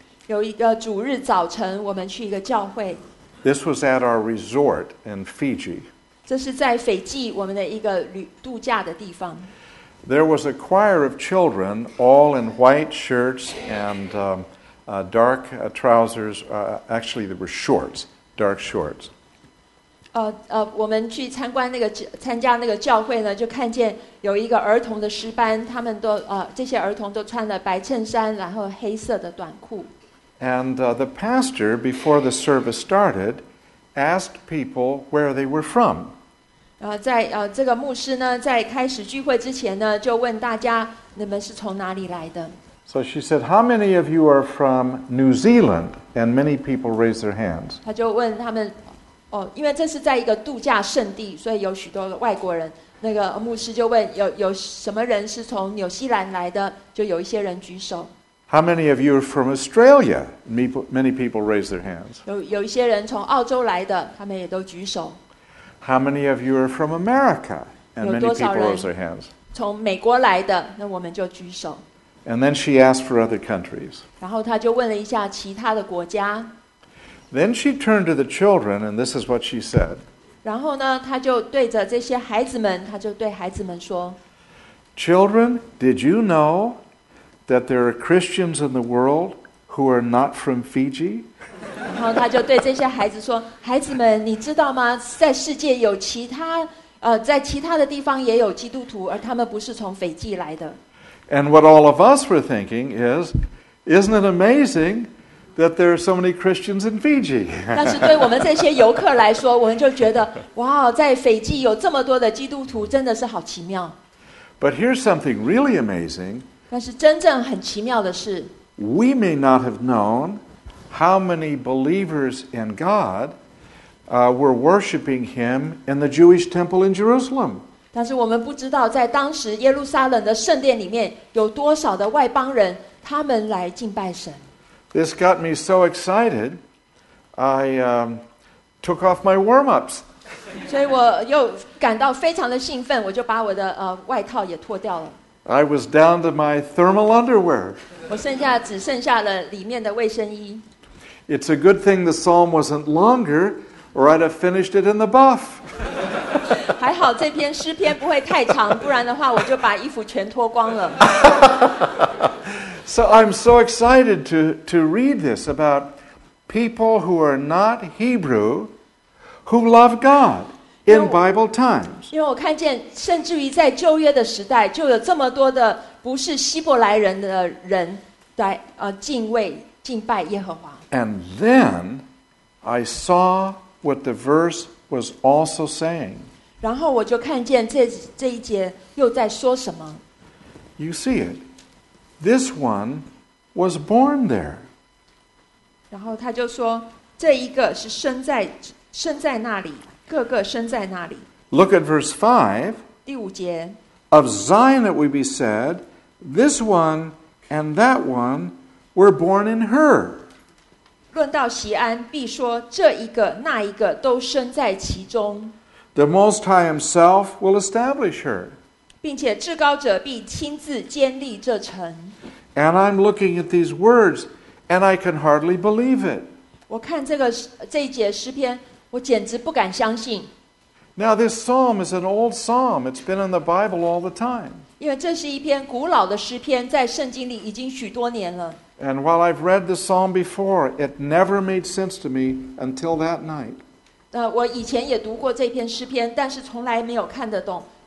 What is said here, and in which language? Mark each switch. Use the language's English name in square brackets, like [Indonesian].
[Chinese] 有一个主日早晨，我们去一个教会。 [English] This was at our resort in Fiji. [Chinese] 这是在斐济我们的一个度假的地方。 [English] There was a choir of children, all in white shirts and dark trousers. Actually, they were shorts, dark shorts. [Chinese] 我们去参加那个教会呢，就看见有一个儿童的诗班，他们都这些儿童都穿了白衬衫，然后黑色的短裤。 [English] And the pastor, before the service started, asked people where they were from. [Chinese] 在这个牧师呢，在开始聚会之前呢，就问大家你们是从哪里来的。 [English] So she said, "How many of you are from New Zealand?" And many people raised their hands. [Chinese] 他就问他们，因为这是在一个度假胜地，所以有许多的外国人。那个牧师就问有什么人是从纽西兰来的？就有一些人举手。 [English] How many of you are from Australia? Many people raise their hands. [Chinese] 有一些人从澳洲来的，他们也都举手。 [English] How many of you are from America? And many people raise their hands. [Chinese] 从美国来的，那我们就举手。 [English] And then she asked for other countries. [Chinese] 然后她就问了一下其他的国家。 [English] Then she turned to the children, and this is what she said. [Chinese] 然后呢，她就对着这些孩子们，她就对孩子们说 [English] ，Children, did you know that there are Christians in the world who are not from Fiji? [Chinese] 然后她就对这些孩子说，孩子们，你知道吗？在世界有其他，在其他的地方也有基督徒，而他们不是从斐济来的。 [English] And what all of us were thinking is, isn't it amazing that there are so many Christians in Fiji? [Chinese] 但是对我们这些游客来说，我们就觉得，哇，在斐济有这么多的基督徒，真的是好奇妙。 [English] But here's something really amazing. [Chinese] 但是真正很奇妙的是 [English] ，We may not have known how many believers in God were worshiping Him in the Jewish temple in Jerusalem. [Chinese] 但是我们不知道，在当时耶路撒冷的圣殿里面，有多少的外邦人他们来敬拜神。 [English] This got me so excited, I took off my warm-ups. [Chinese] 所以我又感到非常的兴奋，我就把我的外套也脱掉了。 [English] I was down to my thermal underwear. [Chinese] 我剩下只剩下了里面的卫生衣。 [English] It's a good thing the psalm wasn't longer, or I'd have finished it in the buff. [Chinese] 还好这篇诗篇不会太长，不然的话我就把衣服全脱光了。 [English] So I'm so excited to read this about people who are not Hebrew who love God in Bible times. [Chinese] 因为我看见，甚至于在旧约的时代，就有这么多的不是希伯来人的人来敬畏敬拜耶和华。 [English] And then I saw what the verse was also saying. [Chinese] 然后我就看见这一节又在说什么。 [English] You see it. This one was born there. [Chinese] 然后他就说，这一个是生在那里，个个生在那里。 [English] Look at verse 5. [Chinese] 第五节。 [English] Of Zion it would be said, this one and that one were born in her. [Chinese] 论到锡安，必说这一个那一个都生在其中。 [English] The Most High Himself will establish her. [Chinese] 并且至高者必亲自建立这城。 [English] And I'm looking at these words, and I can hardly believe it. [Chinese] 我看这一节诗篇，我简直不敢相信。 [English] Now this psalm is an old psalm. It's been in the Bible all the time. [Chinese] 因为这是一篇古老的诗篇，在圣经里已经许多年了。 [English] And while I've read the psalm before, it never made sense to me until that night. [Chinese] 我以前也读过这篇诗篇，但是从来没有看得懂。